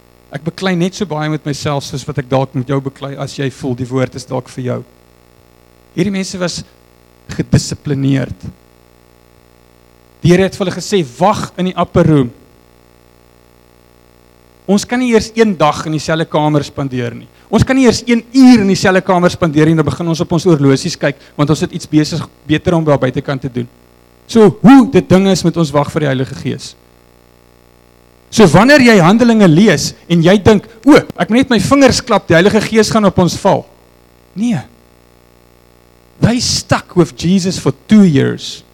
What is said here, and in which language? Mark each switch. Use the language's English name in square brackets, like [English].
[Afrikaans] Ek beklei net so baie met myself soos wat ek dalk met jou beklei as jy voel die woord is dalk vir jou. Hierdie mense was gedissiplineerd. Die Here het vir hulle gesê, wag in die upper room. Ons kan nie eers een dag in dieselfde kamer spandeer nie. Ons kan nie eers een uur in dieselfde kamer spandeer nie, dan begin ons op ons oorlosies kyk, want ons het iets beter om daar buitekant te doen. So hoe dit ding is met ons wag vir die Heilige Gees. So wanneer jy Handelinge lees en jy dink, o, ek moet net my vingers klap, die Heilige Gees gaan op ons val. Nee. [English] They stuck with Jesus for 2 years.